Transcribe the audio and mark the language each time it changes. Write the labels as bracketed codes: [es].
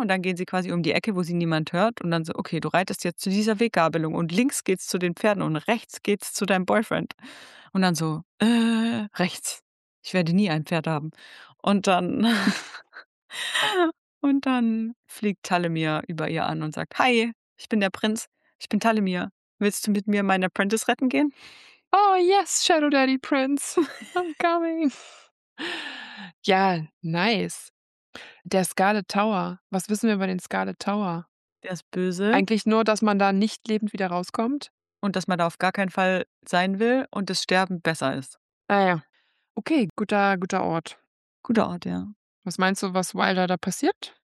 [de] Und dann gehen sie quasi um die Ecke, wo sie niemand hört. Und dann so, okay, du reitest jetzt zu dieser Weggabelung und links geht's zu den Pferden und rechts geht's zu deinem Boyfriend. Und dann so, rechts, ich werde nie ein Pferd haben. Und dann und dann fliegt Talemir über ihr an und sagt, hi, ich bin der Prinz, ich bin Talemir. Willst du mit mir meinen Apprentice retten gehen? [en] Oh yes, Shadow Daddy Prince, I'm coming. [de] Ja, nice. Der Scarlet Tower. Was wissen wir über den Scarlet Tower? Der ist böse. Eigentlich nur, dass man da nicht lebend wieder rauskommt. Und dass man da auf gar keinen Fall sein will und das Sterben besser ist. Ah ja. Okay, guter Ort. Guter Ort, ja. Was meinst du, was Wilder da passiert?